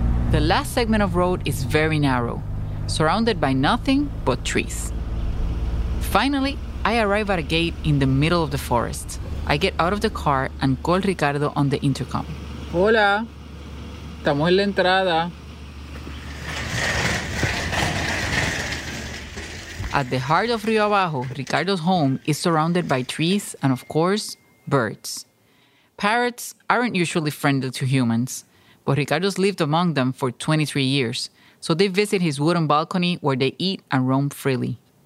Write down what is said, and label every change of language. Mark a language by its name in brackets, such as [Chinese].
[English] The last segment of road is very narrow, surrounded by nothing but trees. Finally, I arrive at a gate in the middle of the forest. I get out of the car and call Ricardo on the intercom. [Spanish] Hola, estamos en la entrada. [English] At the heart of Río Abajo, Ricardo's home is surrounded by trees and, of course, birds. Parrots aren't usually friendly to humans, but Ricardo's lived among them for 23 years, so they visit his wooden balcony where they eat and roam freely.